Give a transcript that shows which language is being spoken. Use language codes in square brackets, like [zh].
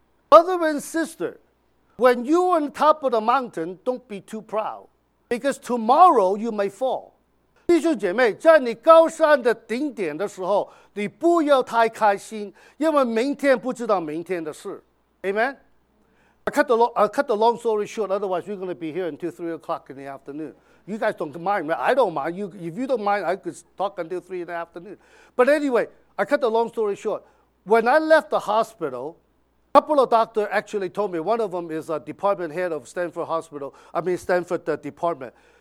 [en] Brother and sister, when you're on top of the mountain, don't be too proud, because tomorrow you may fall. [zh] 弟兄姐妹，在你高山的顶点的时候，你不要太开心，因为明天不知道明天的事。 [en] Amen. I'll cut the long story short, otherwise we're going to be here until 3 o'clock in the afternoon. You guys don't mind, right? I don't mind. If you don't mind, I could talk until 3 in the afternoon. But anyway, I cut the long story short. When I left the hospital, a couple of doctors actually told me, one of them is a department head of Stanford department.